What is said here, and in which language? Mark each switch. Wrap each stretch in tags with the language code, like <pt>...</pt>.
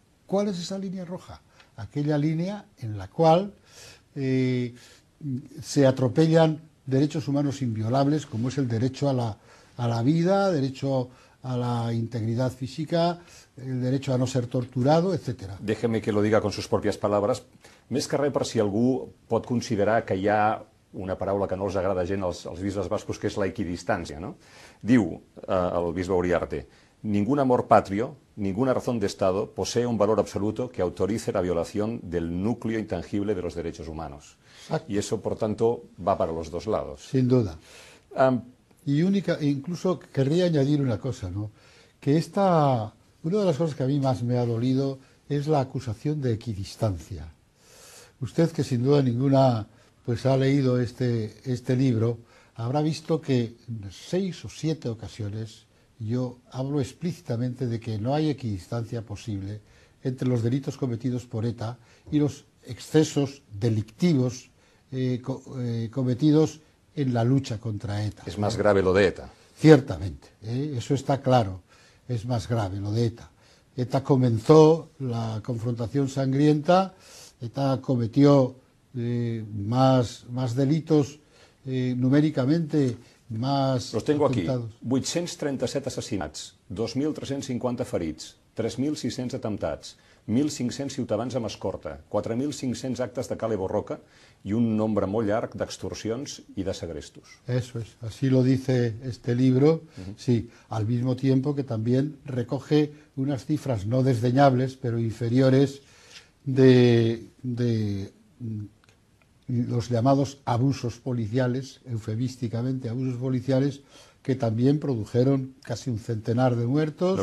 <es>¿Cuál es esa línea roja? Aquella línea en la cual se atropellan derechos humanos inviolables, como es el derecho a la vida, derecho a la integridad física, el derecho a no ser torturado, etc. Déjeme que lo diga con sus propias palabras.</es> <ca>Més que res per si algú pot considerar que hi ha una paraula que no els agrada gent als bisbes bascos, que és la equidistància, no? Diu el bisbe</ca> <es>Uriarte: ningún amor patrio, ninguna razón de Estado posee un valor absoluto que autorice la violación del núcleo intangible de los derechos humanos. Exacto. Y eso, por tanto, va para los dos lados. Sin duda. Incluso querría añadir una cosa, ¿no? Que una de las cosas que a mí más me ha dolido es la acusación de equidistancia. Usted, que sin duda ninguna pues ha leído este libro, habrá visto que en 6 o 7 ocasiones yo hablo explícitamente de que no hay equidistancia posible entre los delitos cometidos por ETA y los excesos delictivos cometidos en la lucha contra ETA. Es más grave lo de ETA. Ciertamente, eso está claro, es más grave lo de ETA. ETA comenzó la confrontación sangrienta, ETA cometió más delitos numéricamente. Los tengo aquí.</es> <ca>837 assassinats, 2.350 ferits, 3.600 atemptats, 1.500 ciutadans amb escorta, 4.500 actes de cale borroca i un nombre molt llarg d'extorsions i de segrestos.</ca> <es>Eso es, así lo dice este libro, sí, al mismo tiempo que también recoge unas cifras no desdeñables, pero inferiores de los llamados abusos policiales, eufemísticamente abusos policiales, que también produjeron casi un centenar de muertos.</es>